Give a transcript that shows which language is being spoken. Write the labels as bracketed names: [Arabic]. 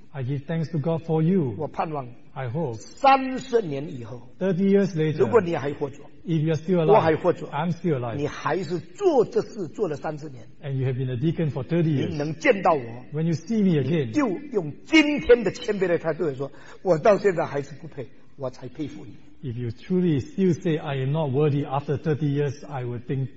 [English] I give thanks to God for you. [Chinese] 我盼望。 [English] I hope. [Chinese] 30年以后。 [English] 30 years later. [Chinese] 如果你还活着。 [English] If you are still alive. [Chinese] 我还活着。 [English] I'm still alive. [Chinese] 你还是做这事做了30年。 [English] And you have been a deacon for 30 years. [Chinese] 你能见到我。 [English] When you see me again. [Chinese] 就用今天的谦卑的态度来说，我到现在还是不配，我才佩服你。 [English] If you truly still say I am not worthy after 30 years, I would think.